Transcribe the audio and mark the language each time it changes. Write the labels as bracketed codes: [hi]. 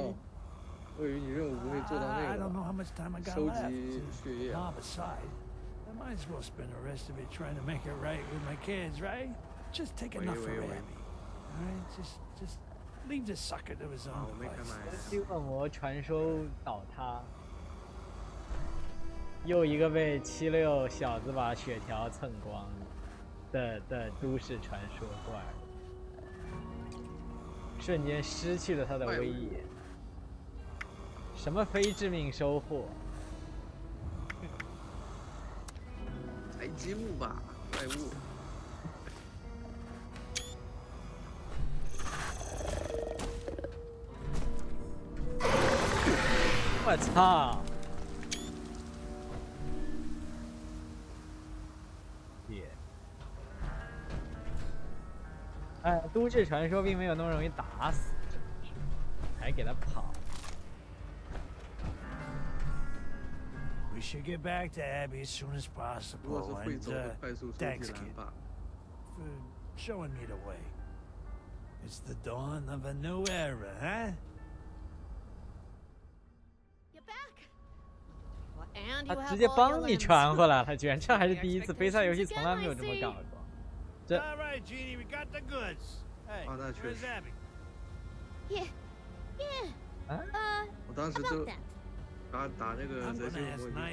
[zh] Oh, 我以为你任务不会做到那个了。 [en] I don't know how much time I got left. [zh] 收集血液。 [en] Nah, besides, I might as well spend the rest of it trying to make it right with my kids, right? Just take enough from Abby. All right, just leave the sucker to his own place. [zh] 恶魔传说倒塌，又一个被七六小子把血条蹭光的都市传说怪。瞬间失去了他的威仪，什么非致命收获？采集物吧，怪物。我操！哎，都市传说并没有那么容易打死，还给他跑。 [en] We should get back to Abby as soon as possible. [zh] 如果是会走的快速出去了吧。 [en] For showing me the way. It's the dawn of a new era, huh? You're back. Well, and [zh] 他直接帮你传回来了，居然这还是第一次，飞赛游戏从来没有这么搞过。 [en] All right, Jeannie, we got the goods. Hey, where's Abby? Yeah, yeah. [zh] 啊？我当时就打那个泽西恶魔，